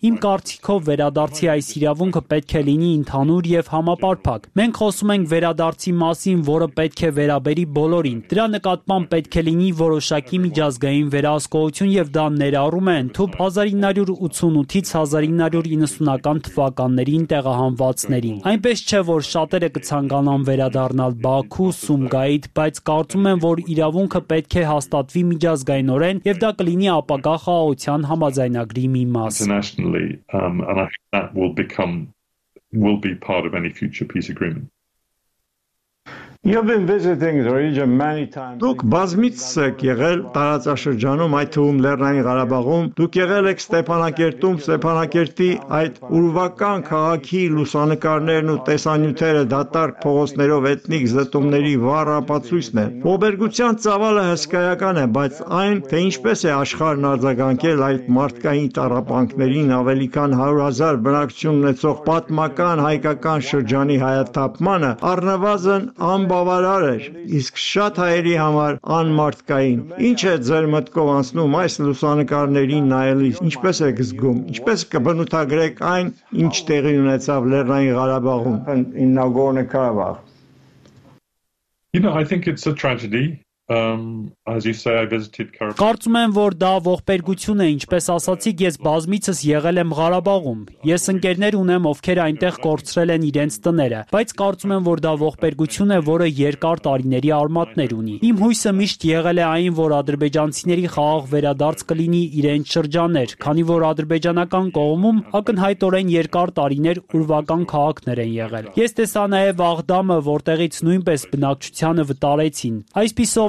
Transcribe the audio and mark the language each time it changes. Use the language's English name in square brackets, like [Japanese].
[Armenian] Իմ կարծիքով վերադարձի այս իրավունքը պետք է լինի ընդհանուր եւ համապարփակ։ Մենք խոսում ենք վերադարձի մասին, որը պետք է վերաբերի բոլորին։ Դրա նկատմամբ պետք է լինի որոշակի միջազգային վերահսկողություն, եւ դա ներառում է ընդհանուր 1988-ից 1990-ական թվականներին տեղահանվածներին։ Այնպես չէ, որ շատերը կցանկանան վերադառնալ Բաքու, Սումգայիթ, բայց կարծում եմ, որ իրավունքը պետք է հաստատվի միջազգայինորեն, եւ դա կլինի ապագա խաղաղության համաձայնագրի մի մաս [English] internationally, and I think that will become will be part of any future peace agreement. You've been visiting the region many times. [Armenian] Դուք բազմիցս եք եղել տարածաշրջանում, այդ թվում Լեռնային Ղարաբաղում։ Դուք եղել եք Ստեփանակերտում, Ստեփանակերտի այդ ուրվական քաղաքի լուսանկարներն ու տեսանյութերը դատարկ փողոցներով էթնիկ զտումների վառ ապացույցն է։ Ողբերգության ծավալը հսկայական է, բայց այն, թե ինչպես է աշխարհն արձագանքել այդ մարդկային տառապանքներին ավելի քան 100,000 բնակչություն ունեցող պատմական հայկական շրջանի հայաթափմանը, առնվազն անբավարար էր, իսկ շատ հայերի համար անմարդկային։ Ինչ է ձեր մտքով անցնում այս լուսանկարներին նայելիս, ինչպես եք զգում, ինչպես կբնութագրեք այն, ինչ տեղի ունեցավ Լեռնային Ղարաբաղում, Նագորնո Ղարաբաղ։ [English] You know, I think it's a tragedy. As you say, I visited Karabakh. [Armenian] Կարծում եմ, որ դա ողբերգություն է, ինչպես ասացիք, ես բազմիցս եղել եմ Ղարաբաղում։ Ես ընկերներ ունեմ, ովքեր այնտեղ կորցրել են իրենց տները, բայց կարծում եմ, որ դա ողբերգություն է, որը երկար տարիների արմատներ ունի։ Իմ հույսը միշտ եղել է այն, որ ադրբեջանցիների խաղաղ վերադարձ կլինի իրենց շրջաններ, քանի որ ադրբեջանական կողմում ակնհայտորեն երկար տարիներ ուրվական քաղաքներ են եղել։ Ես տեսա նաև Աղդամը, որտեղից նույնպես բնակչությանը վտարեցին։ Այսպես